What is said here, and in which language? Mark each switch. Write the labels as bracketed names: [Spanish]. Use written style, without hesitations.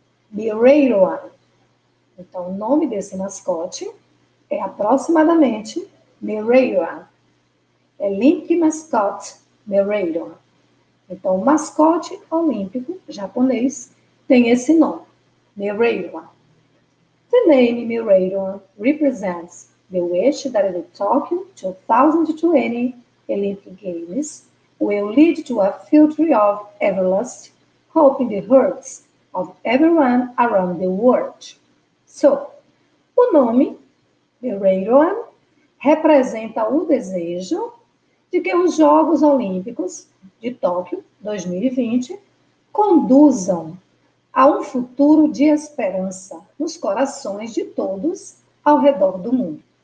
[Portuguese] Mireiroa. Então, o nome desse mascote é aproximadamente Mireiroa. Olympic Mascot Mireiroa. Então, o mascote olímpico japonês tem esse nome, Mireiroa. [English] The name Mireiroa represents the wish that the Tokyo 2020 Olympic Games will lead to a future of everlasting hope in the hearts of everyone around the world. [Portuguese] So, o nome Mireiroa representa o desejo de que os Jogos Olímpicos de Tóquio 2020 conduzam a um futuro de esperança nos corações de todos ao redor do mundo.